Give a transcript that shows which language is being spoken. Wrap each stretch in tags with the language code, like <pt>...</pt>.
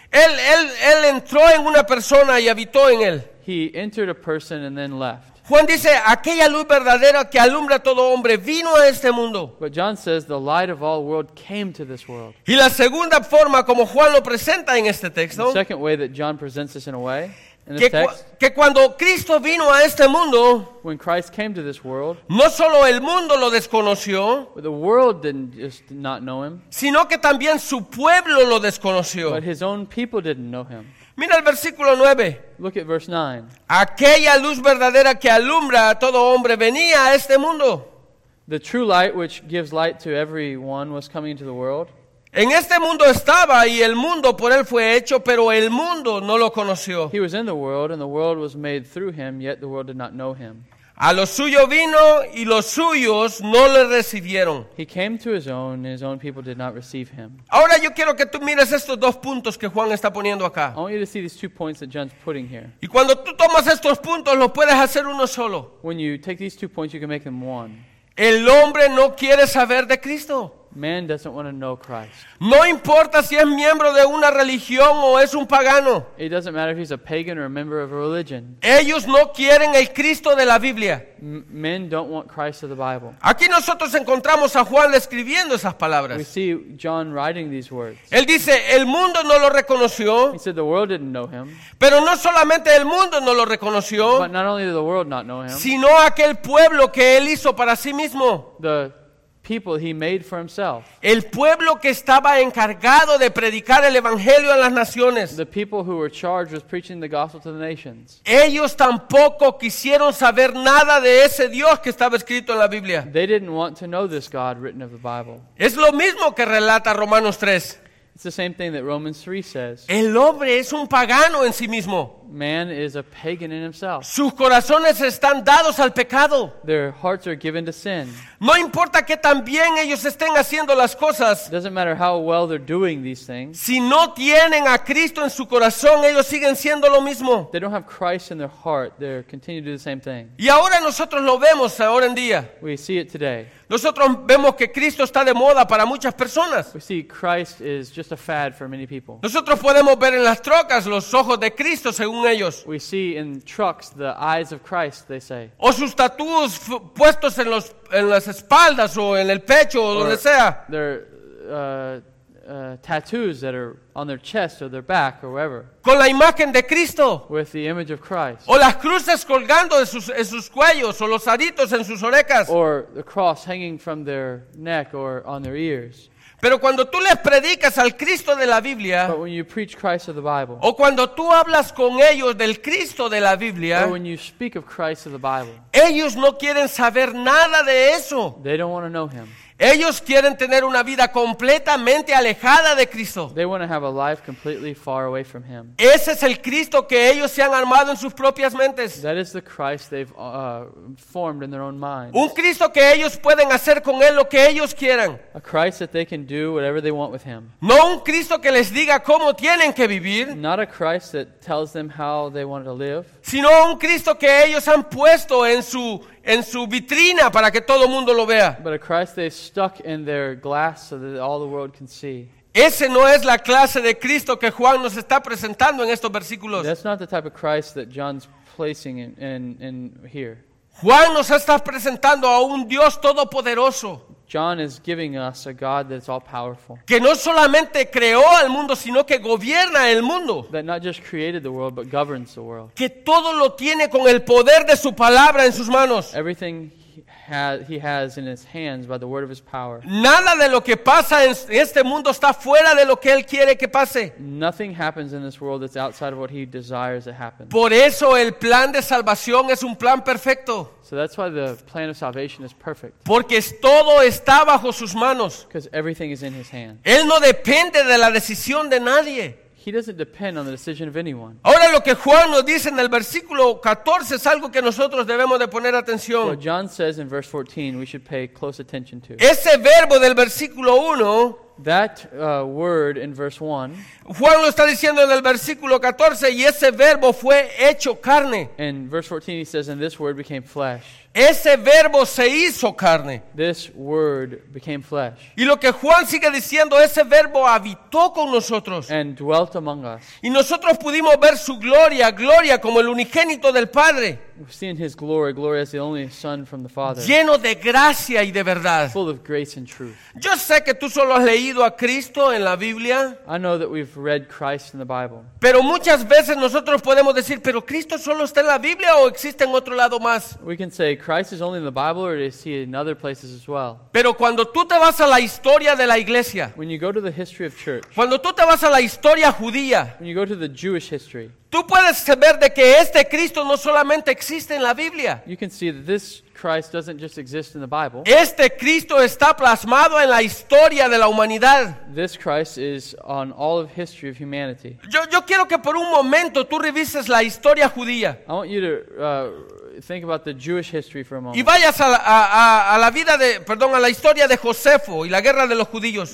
<es>Él entró en una persona y habitó en él.</es> <en>He entered a person and then left.</en> <es>Juan dice, aquella luz verdadera que alumbra a todo hombre vino a este mundo.</es> <en>But John says, the light of all world came to this world.</en> <es>Y la segunda forma como Juan lo presenta en este texto,</es> <en>the second way that John presents this in a way, in</en> <es>que,</es> <en>this text,</en> <es>que cuando Cristo vino a este mundo,</es> <en>when Christ came to this world,</en> <es>no solo el mundo lo desconoció,</es> <en>but the world didn't just not know him,</en> <es>sino que también su pueblo lo desconoció,</es> <en>but his own people didn't know him.</en> <es>Mira el versículo 9.</es> <en>Look at verse 9.</en> <es>Aquella luz verdadera que alumbra a todo hombre venía a este mundo.</es> <en>The true light which gives light to everyone was coming into the world.</en> <es>En este mundo estaba y el mundo por él fue hecho, pero el mundo no lo conoció.</es> <en>He was in the world and the world was made through him, yet the world did not know him.</en> <es>A lo suyo vino y los suyos no le recibieron.</es> <en>He came to his own and his own people did not receive him.</en> <es>Ahora yo quiero que tú mires estos dos puntos que Juan está poniendo acá.</es> <en>I want you to see these two points that John's putting here.</en> <es>Y cuando tú tomas estos puntos, los puedes hacer uno solo.</es> <en>When you take these two points, you can make them one.</en> <es>El hombre no quiere saber de Cristo.</es> <en>Man doesn't want to know Christ.</en> <es>No importa si es miembro de una religión o es un pagano.</es> <en>It doesn't matter if he's a pagan or a member of a religion.</en> <es>Ellos no quieren el Cristo de la Biblia.</es> <en>Men don't want Christ of the Bible.</en> <es>Aquí nosotros encontramos a Juan escribiendo esas palabras.</es> <en>We see John writing these words.</en> <es>Él dice, el mundo no lo reconoció.</es> <en>He said the world didn't know him.</en> <es>Pero no solamente el mundo no lo reconoció.</es> <en>But not only did the world not know him.</en> <es>Sino aquel pueblo que él hizo para sí mismo.</es> <en>The people he made for himself.</en> <es>El pueblo que estaba encargado de predicar el evangelio a las naciones.</es> <en>The people who were charged with preaching the gospel to the nations.</en> <es>Ellos tampoco quisieron saber nada de ese Dios que estaba escrito en la Biblia.</es> <en>They didn't want to know this God written of the Bible.</en> <es>Es lo mismo que relata Romanos 3.</es> <en>It's the same thing that Romans 3 says.</en> <es>El hombre es un pagano en sí mismo.</es> <en>Man is a pagan in himself.</en> <es>Sus corazones están dados al pecado.</es> <en>Their hearts are given to sin.</en> <es>No importa que tan bien ellos estén haciendo las cosas.</es> <en>It doesn't matter how well they're doing these things.</en> <es>Si no tienen a Cristo en su corazón, ellos siguen siendo lo mismo.</es> <en>They don't have Christ in their heart. They're continuing to do the same thing.</en> <es>Y ahora nosotros lo vemos ahora en día.</es> <en>We see it today.</en> <es>Nosotros vemos que Cristo está de moda para muchas personas.</es> <en>We see Christ is just a fad for many people.</en> <es>Nosotros podemos ver en las trocas los ojos de Cristo según según ellos.</es> <en>We see in trucks the eyes of Christ, they say.</en> <es>O sus tatuos puestos en los en las espaldas o en el pecho o donde sea.</es> <en>Their tattoos that are on their chest or their back or wherever.</en> <es>Con la imagen de Cristo.</es> <en>With the image of Christ.</en> <es>O las cruces colgando en sus cuellos o los aritos en sus orejas.</es> <en>Or the cross hanging from their neck or on their ears.</en> <es>Pero cuando tú les predicas al Cristo de la Biblia,</es> <en>but when you preach Christ of the Bible,</en> <es>o cuando tú hablas con ellos del Cristo de la Biblia,</es> <en>or when you speak of Christ of the Bible,</en> <es>ellos no quieren saber nada de eso.</es> <en>They don't want to know him.</en> <es>Ellos quieren tener una vida completamente alejada de Cristo.</es> <en>They want to have a life completely far away from him.</en> <es>Ese es el Cristo que ellos se han armado en sus propias mentes.</es> <en>That is the Christ they've formed in their own minds.</en> <es>Un Cristo que ellos pueden hacer con él lo que ellos quieran.</es> <en>A Christ that they can do whatever they want with him.</en> <es>No un Cristo que les diga cómo tienen que vivir.</es> <en>Not a Christ that tells them how they want to live.</en> <es>Sino un Cristo que ellos han puesto en su vitrina para que todo mundo lo vea.</es> <en>But a Christ they stuck in their glass so that all the world can see.</en> <es>Ese no es la clase de Cristo que Juan nos está presentando en estos versículos.</es> <en>That's not the type of Christ that John's placing in here.</en> <es>Juan nos está presentando a un Dios todopoderoso.</es> <en>John is giving us a God that's all powerful.</en> <es>Que no solamente creó al mundo, sino que gobierna el mundo.</es> <en>That not just created the world, but governs the world.</en> <es>Que todo lo tiene con el poder de su palabra en sus manos.</es> <en>Everything he has in his hands by the word of his power.</en> <es>Nada de lo que pasa en este mundo está fuera de lo que él quiere que pase.</es> <en>Nothing happens in this world that's outside of what he desires to happen.</en> <es>Por eso el plan de salvación es un plan perfecto.</es> <en>So that's why the plan of salvation is perfect.</en> <es>Porque todo está bajo sus manos.</es> <en>Because everything is in his hands.</en> <es>Él no depende de la decisión de nadie.</es> <en>He doesn't depend on the decision of anyone.</en> <es>Ahora lo que Juan nos dice en el versículo 14 es algo que nosotros debemos de poner atención.</es> <en>What John says in verse 14 we should pay close attention to.</en> <es>Ese verbo del versículo 1.</es> <en>That word in verse 1.</en> <es>Juan lo está diciendo en el versículo 14 y ese verbo fue hecho carne.</es> <en>In verse 14 he says and this word became flesh.</en> <es>Ese verbo se hizo carne.</es> <en>This word became flesh.</en> <es>Y lo que Juan sigue diciendo, ese verbo habitó con nosotros.</es> <en>And dwelt among us.</en> <es>Y nosotros pudimos ver su gloria, gloria como el unigénito del Padre.</es> <en>We've seen his glory, glory as the only Son from the Father.</en> <es>Lleno de gracia y de verdad.</es> <en>Full of grace and truth.</en> <es>Yo sé que tú solo has leído a Cristo en la Biblia.</es> <en>I know that we've read Christ in the Bible.</en> <es>Pero muchas veces nosotros podemos decir, ¿pero Cristo solo está en la Biblia o existe en otro lado más?</es> <en>We can say, Christ is only in the Bible or is he in other places as well?</en> <es>Pero cuando tú te vas a la historia de la iglesia,</es> <en>when you go to the history of church,</en> <es>cuando tú te vas a la historia judía,</es> <en>when you go to the Jewish history,</en> <es>tú puedes saber de que este Cristo no solamente existe en la Biblia.</es> <en>You can see that this Christ doesn't just exist in the Bible.</en> <es>Este Cristo está plasmado en la historia de la humanidad.</es> <en>This Christ is on all of history of humanity.</en> <es>Yo quiero que por un momento tú revises la historia judía.</es> <en>I want you to think about the Jewish history for a moment.</en> <es>Y vayas a la historia de Josefo y la guerra de los judíos.</es>